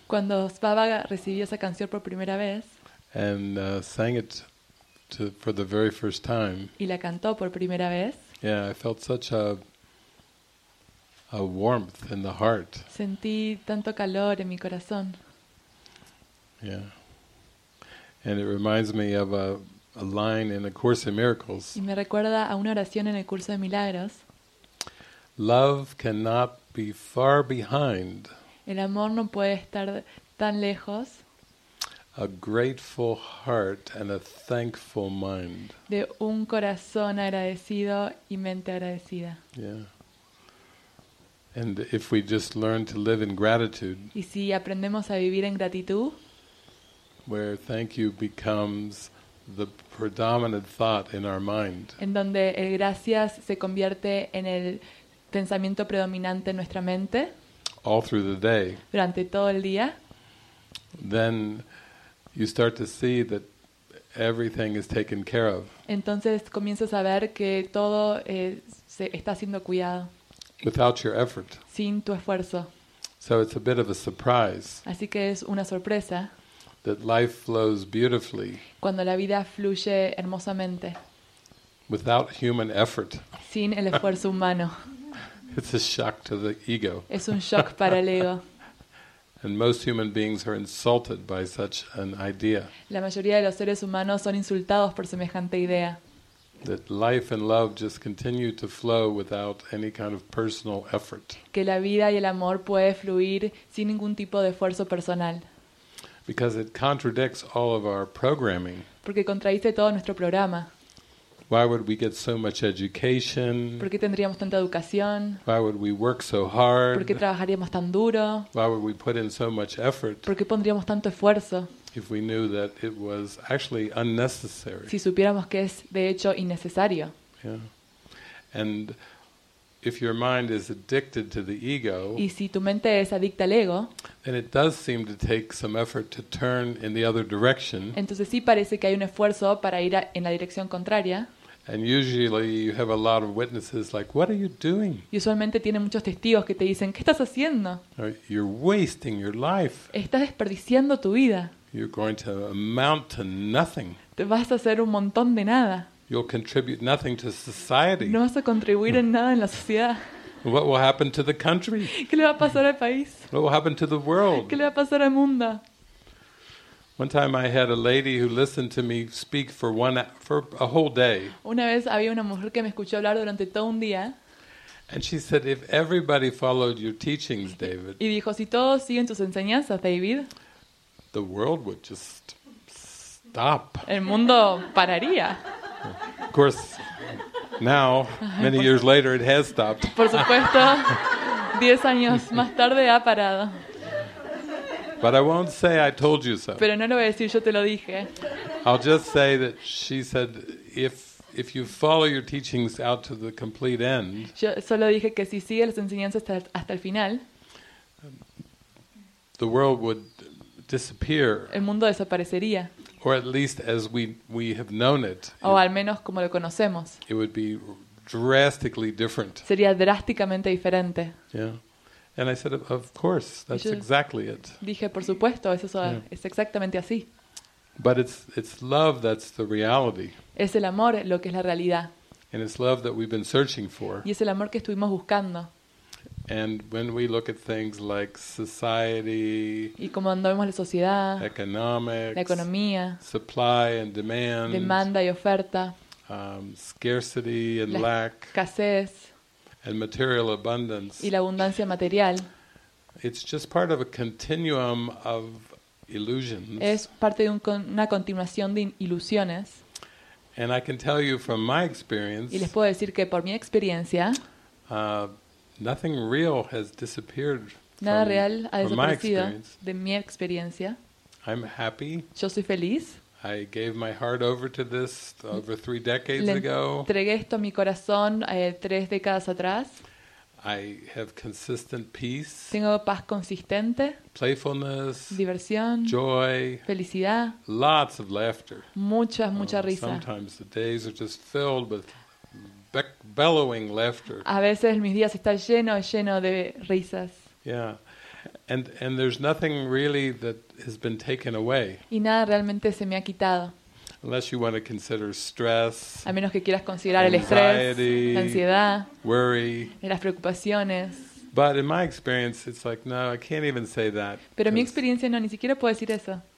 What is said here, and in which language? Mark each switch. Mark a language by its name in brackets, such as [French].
[Spanish] cuando Svava recibió esa canción por primera vez, [English] and sang it to for the very first time, [Spanish] y la cantó por primera vez, [English] yeah, I felt such a warmth in the heart. [Spanish] Sentí tanto calor en mi corazón. [English] Yeah, and it reminds me of a line in A Course in Miracles. [Spanish] Y me recuerda a una oración en el curso de milagros. [English] Love cannot be far behind. [Spanish] El amor no puede estar tan lejos. [English] A grateful heart and a thankful mind. [Spanish] De un corazón agradecido y mente agradecida. [English] Yeah. And if we just learn to live in gratitude. [Spanish] Y si aprendemos a vivir en gratitud. [English] Where thank you becomes the predominant thought in our mind. [Spanish] En donde el gracias se convierte en el pensamiento predominante en nuestra mente. [English] All through the day. [Spanish] Durante todo el día. [English] Then you start to see that everything is taken care of. [Spanish] Entonces comienzas a ver que todo se está siendo cuidado. [English] Without your effort. [Spanish] Sin tu esfuerzo. [English] So it's a bit of a surprise. [Spanish] Así que es una sorpresa. [English] That life flows beautifully. [Spanish] Cuando la vida fluye hermosamente. [English] Without human effort. [Spanish] Sin el esfuerzo humano. [English] It's a shock to the ego. [Spanish] Es un shock para el ego. [English] And most human beings are insulted by such an idea. [Spanish] La mayoría de los seres humanos son insultados por semejante idea. [English] That life and love just continue to flow without any kind of personal effort. [Spanish] Que la vida y el amor puede fluir sin ningún tipo de esfuerzo personal. [English] Because it contradicts all of our programming. [Spanish] Porque contradice todo nuestro programa. [English] Why would we get so much education? [Spanish] ¿Por qué tendríamos tanta educación? [English] Why would we work so hard? [Spanish] ¿Por qué trabajaríamos tan duro? [English] Why would we put in so much effort? [Spanish] ¿Por qué pondríamos tanto esfuerzo? [English] If we knew that it was actually unnecessary. [Spanish] Si supiéramos que es de hecho innecesario. [English] Yeah. And if your mind is addicted to the ego, [Spanish] y si tu mente es adicta al ego, [English] then it does seem to take some effort to turn in the other direction. [Spanish] Entonces sí parece que hay un esfuerzo para ir en la dirección contraria. [English] And usually you have a lot of witnesses like, "What are you doing?" [Spanish] Y usualmente tiene muchos testigos que te dicen, "¿Qué estás haciendo?" [English] Or, "You're wasting your life." [Spanish] Estás desperdiciando tu vida. [English] You're going to amount to nothing. [Spanish] Te vas a hacer un montón de nada. [English] You'll contribute nothing to society. [Spanish] No vas a contribuir en nada en la sociedad. [English] What will happen to the country? [Spanish] ¿Qué le va a pasar al país? [English] What will happen to the world? [Spanish] ¿Qué le va a pasar al mundo? [English] One time I had a lady who listened to me speak for a whole day. [Spanish] Una vez había una mujer que me escuchó hablar durante todo un día. [English] And she said, "If everybody followed your teachings, David." [Spanish] Y dijo, "Si todos siguen tus enseñanzas, David." [English] The world would just stop. [Spanish] El mundo pararía. [English] Of course, now, many years later, it has stopped. [Spanish] Por supuesto, 10 años más tarde ha parado. [English] But I won't say I told you so. [Spanish] Pero no lo voy a decir, yo te lo dije. [English] I'll just say that she said, if you follow your teachings out to the complete end, [Spanish] yo solo dije que si sigue las enseñanzas hasta el final, [English] the world would disappear. [Spanish] El mundo desaparecería. [English] Or at least as we have known it. [Spanish] O al menos como lo conocemos. [English] It would be drastically different. [Spanish] Sería drásticamente diferente. [English] Yeah. And I said, "Of course, that's exactly it." [Spanish] Dije, por supuesto, eso es exactamente así. [English] But it's love that's the reality. [Spanish] Es el amor lo que es la realidad. [English] And it's love that we've been searching for. [Spanish] Y es el amor que estuvimos buscando. [English] And when we look at things like society, [Spanish] y como cuando vemos la sociedad, [English] economics, [Spanish] la economía, [English] supply and demand, [Spanish] demanda y oferta, [English] scarcity and lack, [Spanish] escasez, [English] and material abundance, [Spanish] y la abundancia material, [English] it's just part of a continuum of illusions. [Spanish] Es parte de una continuación de ilusiones. [English] And I can tell you from my experience. [Spanish] Y les puedo decir que por mi experiencia. [English] Nothing real has disappeared. [Spanish] Nada real ha desaparecido de mi experiencia. [English] I'm happy. [Spanish] Yo soy feliz. [English] I gave my heart over to this over 3 decades ago. [Spanish] Le entregué esto a mi corazón 3 décadas atrás. [English] I have consistent peace. [Spanish] Tengo paz consistente. [English] Playfulness. [Spanish] Diversión. [English] Joy. [Spanish] Felicidad. [English] Lots of laughter. [Spanish] Mucha risa. [English] Sometimes the days are just filled with bellowing laughter. [Spanish] A veces mis días están llenos de risas. [English] Yeah. And there's nothing really that has been taken away. [Spanish] Y nada realmente se me ha quitado. [English] Unless you want to consider stress, [Spanish] a menos que quieras considerar el estrés, la ansiedad, [English] worry, [Spanish] las preocupaciones. [English] But in my experience, it's like, no, I can't even say that. [Spanish] Pero en mi experiencia no, ni siquiera puedo decir eso.